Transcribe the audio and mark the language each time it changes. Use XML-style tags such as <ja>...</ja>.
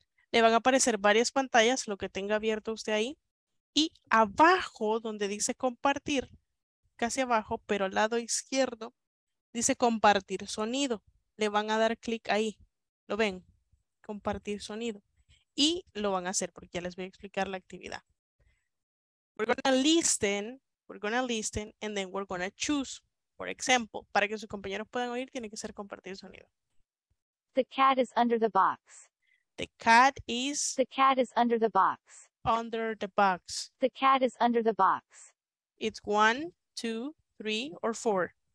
<es>Le van a aparecer varias pantallas, lo que tenga abierto usted ahí. Y abajo donde dice compartir, casi abajo, pero al lado izquierdo, dice compartir sonido. Le van a dar clic ahí. ¿Lo ven? Compartir sonido. Y lo van a hacer porque ya les voy a explicar la actividad.</es> <en>We're gonna listen, and then we're gonna choose. For example,</en> <es>para que sus compañeros puedan oír, tiene que ser compartir sonido.</es> <en>The cat is under the box. The cat is under the box. Under the box. The cat is under the box. It's one, two, three, or four?</en>